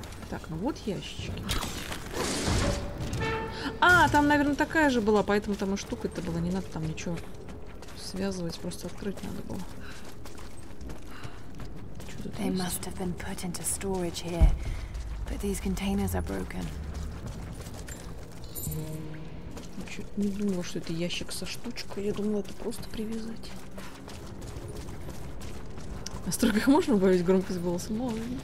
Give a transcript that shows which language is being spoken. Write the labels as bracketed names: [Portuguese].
[Russian] Так, ну вот ящички. А, там, наверное, такая же была, поэтому там и штука-то была. Не надо там ничего связывать, просто открыть надо было. Что тут? [English] They [Russian] есть? [English] Must have been put into storage here, but these containers are broken. [Russian] Чё-то не думала, что это ящик со штучкой. Я думала, это просто привязать. На стройках можно убавить громкость голоса? Можно.